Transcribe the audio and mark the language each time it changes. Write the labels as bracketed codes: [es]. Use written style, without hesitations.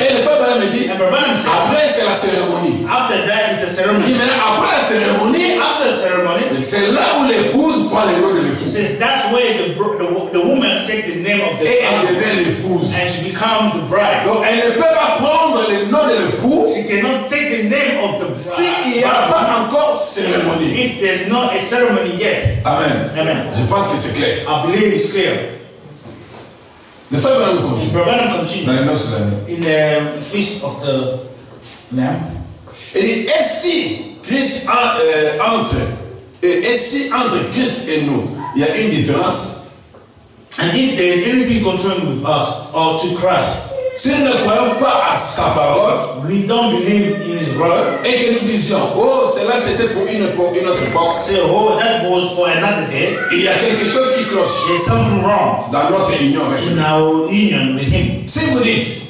[fr] Et le frère Branham me dit, après c'est la cérémonie. [en] After that is the ceremony. [fr] Et maintenant après la cérémonie, [en] after the ceremony, [fr] c'est là où l'épouse prend le nom de l'épouse. [en] Says that's where the woman take the name of the. [fr] Et elle devient l'épouse. [en] And she becomes the bride. [fr] Donc elle ne peut pas prendre le nom de l'épouse. [en] She cannot take the name of the bride. [fr] Si il n'y a pas encore cérémonie. [en] If there's not a ceremony yet. Amen. Amen. [fr] Je pense que c'est clair. [en] I believe it's clear. [fr] Le frère Branham continue. Dans les noces de l'année. [en] In the feast of the lamb. [fr] Et si Christ entre, et si entre Christ et nous, il y a une différence. [en] And if there is anything contrary with us or to Christ, [fr] si nous ne croyons pas à sa parole, [en] we don't believe in his word, [fr] et que nous disions, oh, cela c'était pour une autre époque, [en] say, oh, that was for another day, [fr] il y a quelque chose qui cloche, [en] there's something wrong, [fr] dans notre union avec [en] lui, in our union with him. [fr] Si vous dites,